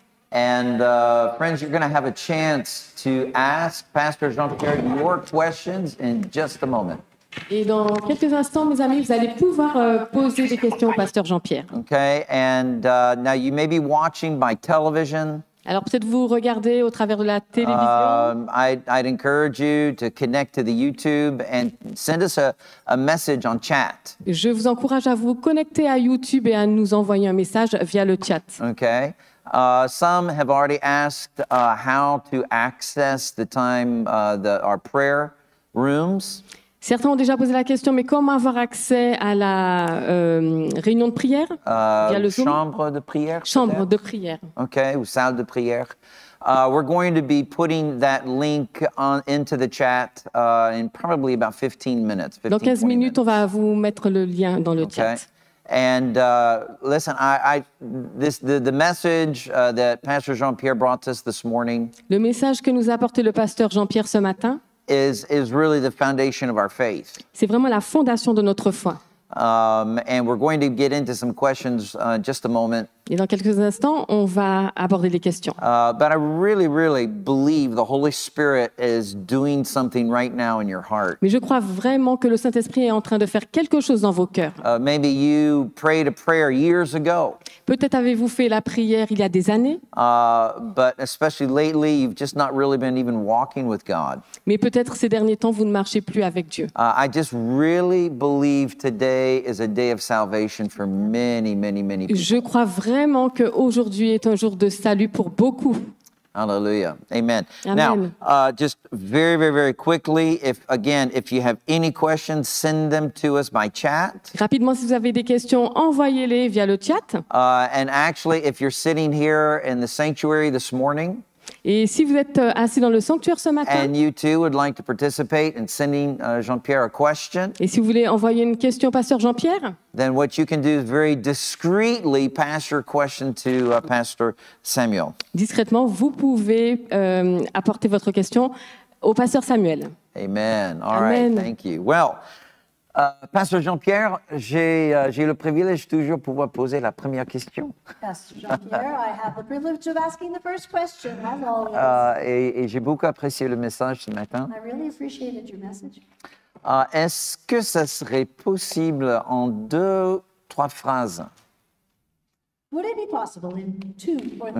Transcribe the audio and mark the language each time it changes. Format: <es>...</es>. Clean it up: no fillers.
<en>And friends, you're going to have a chance to ask Pasteur Jean-Pierre your questions in just a moment.</en> <fr>Et dans quelques instants, mes amis, vous allez pouvoir poser des questions au pasteur Jean-Pierre.</fr> <en>Okay, and now you may be watching by television.</en> <fr>Alors peut-être vous regardez au travers de la télévision.</fr> <en>I'd encourage you to connect to the YouTube and send us a message on chat.</en> <fr>Je vous encourage à vous connecter à YouTube et à nous envoyer un message via le chat.</fr> <en>Okay. Some have already asked how to access the time our prayer rooms.</en> <fr>Certains ont déjà posé la question, mais comment avoir accès à la réunion de prière via le Zoom? Chambre de prière. Chambre peut-être? De prière. OK, ou salle de prière.</fr> <en>We're going to be putting that link into the chat in probably about 15 minutes.</en> <fr>15, dans 15 minutes, minutes, on va vous mettre le lien dans le</fr> <en>okay.</en> <fr>chat.</fr> <en>And listen, the message that Pastor Jean-Pierre brought us this morning.</en> <fr>Le message que nous a apporté le pasteur Jean-Pierre ce matin.</fr> <en>Is really the foundation of our faith.</en> <fr>C'est vraiment la fondation de notre foi.</fr> <en>And we're going to get into some questions just a moment.</en> <fr>Et dans quelques instants, on va aborder les questions.</fr> <en>But I really, really believe the Holy Spirit is doing something right now in your heart.</en> <fr>Mais je crois vraiment que le Saint-Esprit est en train de faire quelque chose dans vos cœurs.</fr> <en>Maybe you prayed a prayer years ago.</en> <fr>Peut-être avez-vous fait la prière il y a des années.</fr> <en>But especially lately, you've just not really been even walking with God.</en> <fr>Mais peut-être ces derniers temps, vous ne marchez plus avec Dieu.</fr> <en>I just really believe today is a day of salvation for many, many, many people.</en> <fr>Je crois vraiment que aujourd'hui est un jour de salut pour beaucoup.</fr> <en>Hallelujah. Amen. Amen. Now, just very, very, very quickly, if you have any questions, send them to us by chat.</en> <fr>Rapidement, si vous avez des questions, envoyez-les via le chat.</fr> <en>And actually, if you're sitting here in the sanctuary this morning,</en> <fr>Et si vous êtes assis dans le sanctuaire ce matin,</fr> <en>and you too would like to participate in sending Jean-Pierre a question,</en> <fr>et si vous voulez envoyer une question, Pasteur Jean-Pierre,</fr> <en>then what you can do is very discreetly pass your question to Pastor Samuel.</en> <fr>Discrètement, vous pouvez apporter votre question au Pasteur Samuel.</fr> <en>Amen. All right. Amen. Thank you.</en> <fr>Well, Pasteur Jean-Pierre, j'ai le privilège toujours de pouvoir poser la première question.</fr> <en>Pasteur Jean-Pierre, I have the privilege of asking the first question, as always.</en> <fr>Et j'ai beaucoup apprécié le message ce matin.</fr> <en>I really appreciated your message.</en> <fr>Est-ce que ça serait possible en deux, trois phrases?</fr> <en>Would it be possible in two or three</en>